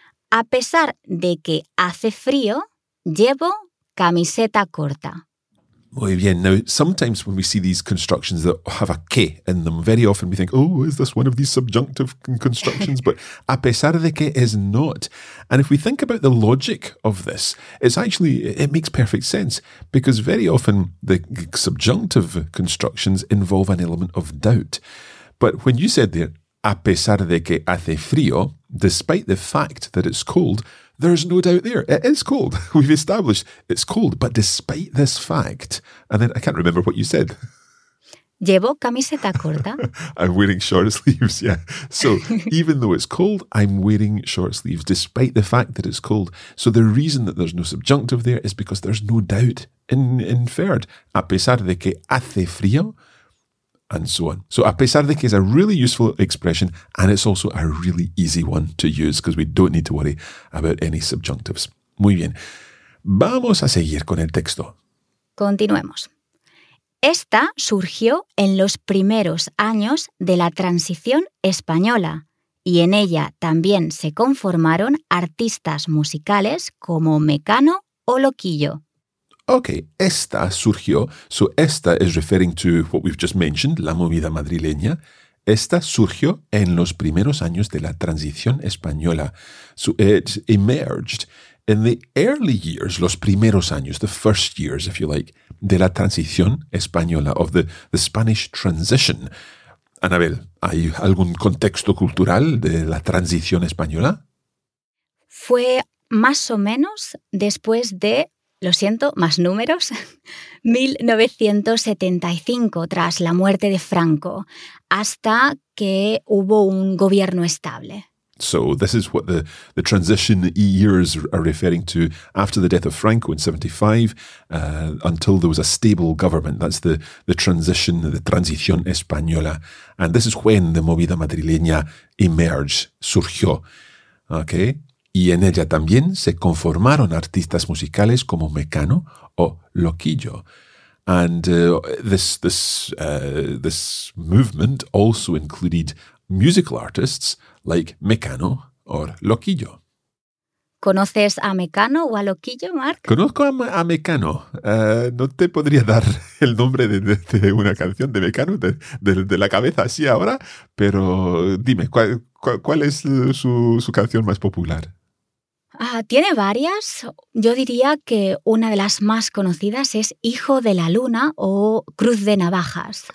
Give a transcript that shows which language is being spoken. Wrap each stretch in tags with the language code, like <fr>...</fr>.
<es>A pesar de que hace frío, llevo camiseta corta. Muy bien.</es> <en>Now, sometimes when we see these constructions that have a que in them, very often we think, oh, is this one of these subjunctive constructions? But a pesar de que is not. And if we think about the logic of this, it makes perfect sense because very often the subjunctive constructions involve an element of doubt. But when you said there,</en> <es>a pesar de que hace frío,</es> <en>despite the fact that it's cold, there's no doubt there. It is cold. We've established it's cold. But despite this fact, and then I can't remember what you said.</en> <es>Llevo camiseta corta.</es> <en>I'm wearing short sleeves, yeah. So even though it's cold, I'm wearing short sleeves, despite the fact that it's cold. So the reason that there's no subjunctive there is because there's no doubt inferred.</en> <es>A pesar de que hace frío,</es> <en>and so on. So</en> <es>a pesar de que</es> <en>is a really useful expression, and it's also a really easy one to use because we don't need to worry about any subjunctives.</en> <es>Muy bien. Vamos a seguir con el texto. Continuemos. Esta surgió en los primeros años de la transición española y en ella también se conformaron artistas musicales como Mecano o Loquillo.</es> <en>Okay,</en> <es>esta surgió.</es> <en>So esta is referring to what we've just mentioned,</en> <es>la movida madrileña. Esta surgió en los primeros años de la transición española.</es> <en>So it emerged in the early years,</en> <es>los primeros años,</es> <en>the first years, if you like,</en> <es>de la transición española,</es> <en>of the Spanish transition.</en> <es>Anabel, ¿hay algún contexto cultural de la transición española? Fue más o menos después de, lo siento, más números, 1975, tras la muerte de Franco, hasta que hubo un gobierno estable.</es> <en>So this is what the transition years are referring to, after the death of Franco in 75, until there was a stable government. That's the transition, the</en> <es>transición española.</es> <en>And this is when the</en> <es>movida madrileña</es> <en>emerged, surgió. Okay?</en> <es>Y en ella también se conformaron artistas musicales como Mecano o Loquillo.</es> <en>And this movement also included musical artists like Mecano or Loquillo.</en> <es>¿Conoces a Mecano o a Loquillo, Mark? Conozco a Mecano. No te podría dar el nombre de una canción de Mecano de la cabeza así ahora, pero dime, ¿cuál es su canción más popular? Tiene varias. Yo diría que una de las más conocidas es Hijo de la Luna o Cruz de Navajas.</es>